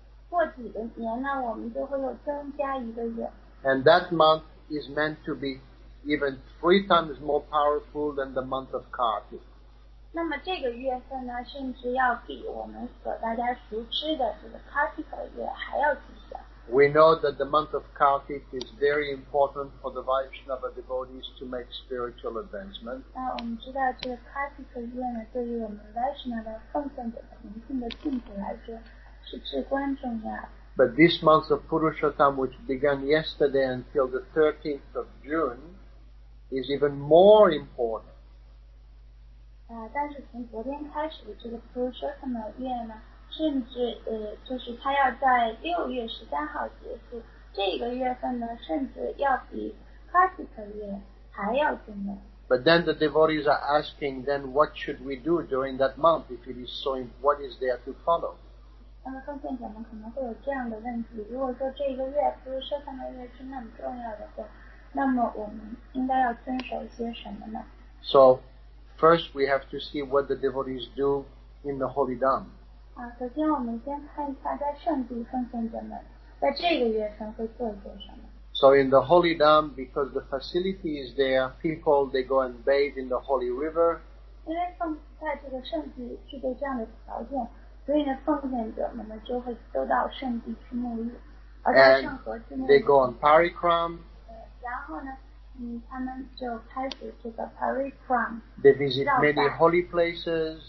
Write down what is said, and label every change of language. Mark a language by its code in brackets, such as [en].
[zh] 过几个年呢，我们就会有增加一个月。 [en] And that month is meant to be even 3 times more powerful than the month of Kartik. [zh] 那么这个月份呢，甚至要比我们所大家熟知的这个 Kartik 月还要吉祥。 [en] We know that the month of Kartik is very important for the Vaishnava devotees to make spiritual advancement. [zh] 那我们知道这个 Kartik 月呢，对于我们 Vaishnava 奉献者同性的进步来说是至关重要。 [en] But this month of Purushottam, which began yesterday until the 13th of June, is even more important. [zh] 但是从昨天开始的这个 Purushottam 月呢，甚至就是它要在六月十三号结束，这个月份呢，甚至要比 Kartik 月还要重要。 [en] But then the devotees are asking, then what should we do during that month if it is so? What is there to follow? [zh] 奉献者们可能会有这样的问题：如果说这个月不是说上个月是那么重要的话，那么我们应该要遵守些什么呢 [en] ？So first we have to see what the devotees do in the holy dham. [zh] 首先我们先看一下在圣地奉献者们在这个月份会做一些什么。 [en] So in the holy dham, because the facility is there, people, they go and bathe in the holy river. [zh] 因为在这个圣地具备这样的条件，所以呢奉献者们呢就会都到圣地去沐浴。 [en] And they go on parikram. [zh] 然后呢他们就开始这个 parikram， [en] they visit many holy places，